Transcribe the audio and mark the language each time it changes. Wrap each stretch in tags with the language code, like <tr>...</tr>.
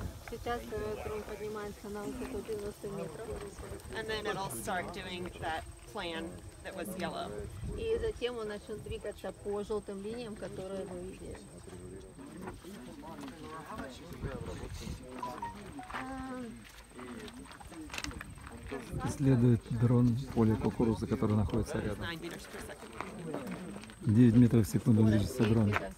<ru>Сейчас дрон поднимается на высоту 90 метров.</ru> <en>And then it'll start doing that plan that was yellow.</en> <ru>И затем он начнет двигаться по желтым линиям, которые вы видели. Следует дрон поле кукурузы, которое находится рядом. 9 метров в секунду движется дрон.</ru>